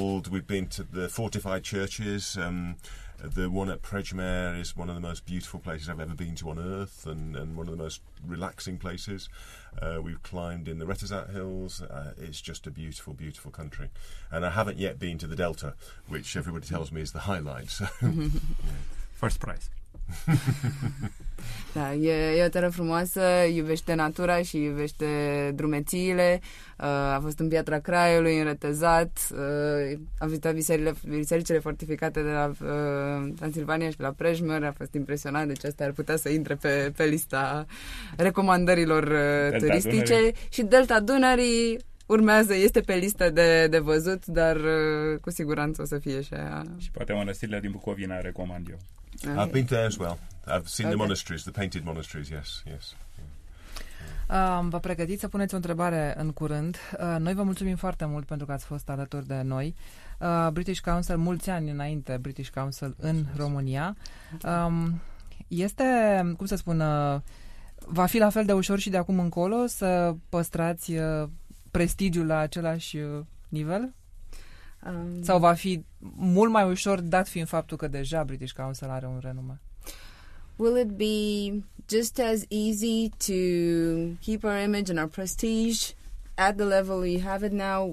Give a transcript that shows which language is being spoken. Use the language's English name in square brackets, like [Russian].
[English] We've been to the fortified churches. The one at Prejmer is one of the most beautiful places I've ever been to on earth and one of the most relaxing places. We've climbed in the Retezat Hills. It's just a beautiful, beautiful country. And I haven't yet been to the Delta, which everybody tells me is the highlight. So. First prize. [Romanian] Da, e o teră frumoasă, iubește natura și iubește drumețiile. A fost în Piatra Craiului, în Retezat, a vizitat bisericile fortificate de la Transilvania și de la Prejmer, a fost impresionat, deci asta ar putea să intre pe lista recomandărilor turistice. Și Delta Dunării, urmează, este pe listă de văzut, dar cu siguranță o să fie și aia. Și poate mănăstirile din Bucovina recomand eu. [English] I've been there as well. I've seen the monasteries, the painted monasteries, yes, yes. [Romanian] Vă pregătiți să puneți o întrebare în curând. Noi vă mulțumim foarte mult pentru că ați fost alături de noi. British Council, mulți ani înainte British Council în România. Este, cum să spun, va fi la fel de ușor și de acum încolo să păstrați prestigiul la același nivel? Sau va fi mult mai ușor dat fiind faptul că deja British Council are un renume? [English] Will it be just as easy to keep our image and our prestige at the level we have it now?